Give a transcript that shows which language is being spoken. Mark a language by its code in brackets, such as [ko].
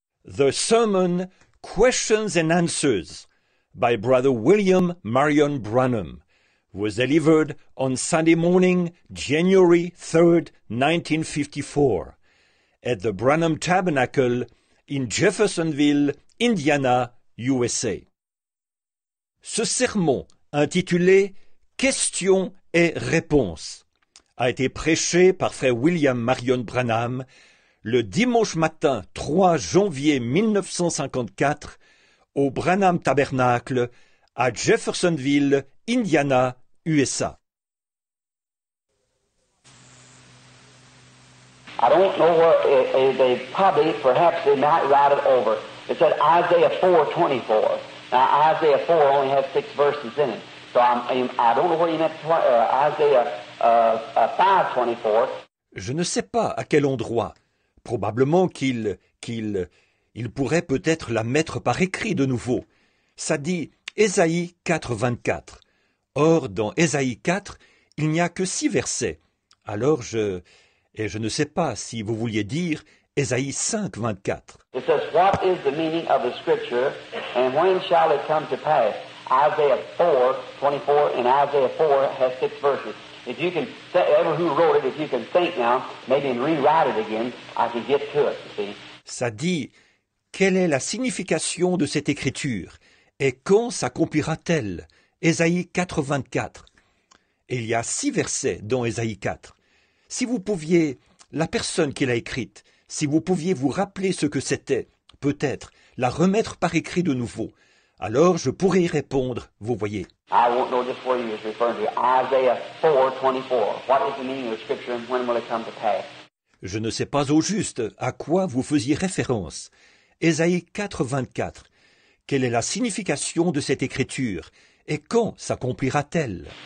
[en] The Sermon, Questions and Answers, by Brother William Marion Branham, was delivered on Sunday morning, January 3, 1954, at the Branham Tabernacle in Jeffersonville, Indiana, USA. [fr] Ce sermon, intitulé « Questions et réponses », a été prêché par Frère William Marion Branham le dimanche matin 3 janvier 1954 au Branham Tabernacle à Jeffersonville, Indiana, USA. [en] I don't know where they probably, perhaps they might write it over. It said Isaiah 4:24. Now Isaiah 4 only has 6 verses in it. So I don't know where you meant Isaiah 5:24. [fr] Je ne sais pas à quel endroit. Probablement qu'il pourrait peut-être la mettre par écrit de nouveau. Ça dit Ésaïe 4:24. Or, dans Ésaïe 4, il n'y a que 6 versets. Alors, je ne sais pas si vous vouliez dire Ésaïe 5:24. [en] It says, what is the meaning of the scripture, and when shall it come to pass? Isaiah 4:24, and Isaiah 4 has 6 verses. If you can, whoever who wrote it, if you can think now, maybe and rewrite it again, I can get to it, you see. [fr] Ça dit, quelle est la signification de cette écriture, et quand s'accomplira-t-elle? Ésaïe 4:24. Et il y a 6 versets dans Ésaïe 4. Si vous pouviez, la personne qui l'a écrite, si vous pouviez vous rappeler ce que c'était, peut-être, la remettre par écrit de nouveau, alors je pourrais y répondre, vous voyez. [en] I won't know just where you is referring to. Isaiah 4:24. What is the meaning of the scripture and when will it come to pass? [fr] Je ne sais pas au juste à quoi vous faisiez référence. Ésaïe 4:24. Quelle est la signification de cette écriture et quand s'accomplira-t-elle?